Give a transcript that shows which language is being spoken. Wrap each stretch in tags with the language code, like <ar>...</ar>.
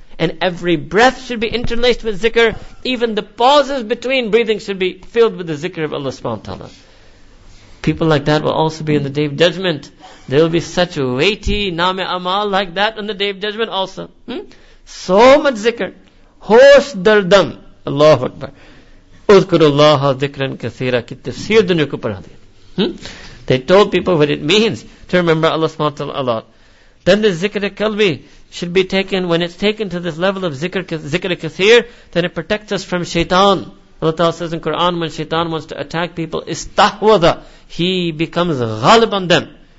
<en>And every breath should be interlaced with zikr. Even the pauses between breathing should be filled with the zikr of Allah subhanahu wa ta'ala. People like that will also be in the Day of Judgment. There will be such weighty name amal like that on the Day of Judgment also. So much zikr.</en> <fa>Hosh dardam. Allahu Akbar.</fa> <ar>اذکروا اللہ ذکراً کثیرا</ar> <ur>کی تفسیر دنیا کو پڑھا دیا۔</ur> <en>They told people what it means to remember Allah subhanahu wa ta'ala a lot. Then the zikr al-kalbi should be taken, when it's taken to this level of zikr al-kathir, then it protects us from shaitan. Allah Ta'ala says in Quran, when shaitan wants to attack people, istahwada, he becomes ghalib on them.</en>